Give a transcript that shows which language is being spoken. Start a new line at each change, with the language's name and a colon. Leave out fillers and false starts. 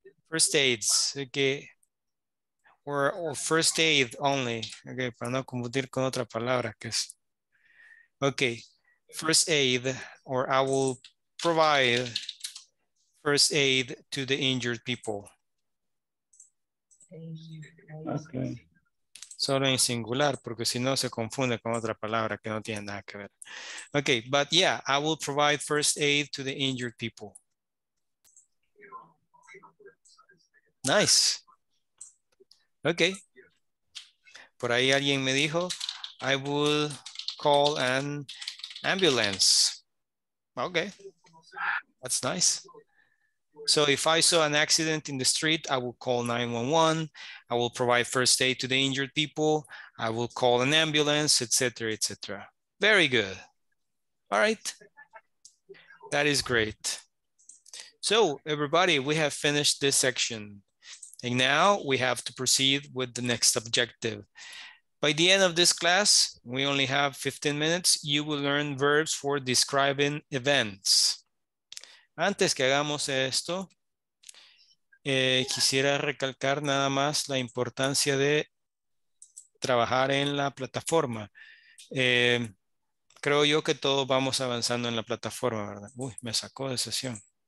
English: First aids. Okay. Or first aid only. Okay.
Spanish: Para no confundir con otra palabra. Okay.
English: First aid, or I will provide first aid to the injured people. Thank you. Okay.
Spanish: Solo en singular, porque si no se confunde con otra palabra que no tiene nada que ver.
English: Okay, but yeah, I will provide first aid to the injured people. Nice. Okay.
Spanish: Por ahí alguien me dijo,
English: I will call an ambulance. Okay, that's nice. So if I saw an accident in the street, I will call 911. I will provide first aid to the injured people. I will call an ambulance, etc., etc. Very good. All right. That is great. So everybody, we have finished this section. And now we have to proceed with the next objective. By the end of this class, we only have 15 minutes, you will learn verbs for describing events.
Spanish: Antes que hagamos esto, quisiera recalcar nada más la importancia de trabajar en la plataforma. Creo yo que todos vamos avanzando en la plataforma, ¿verdad? Uy, me sacó de sesión.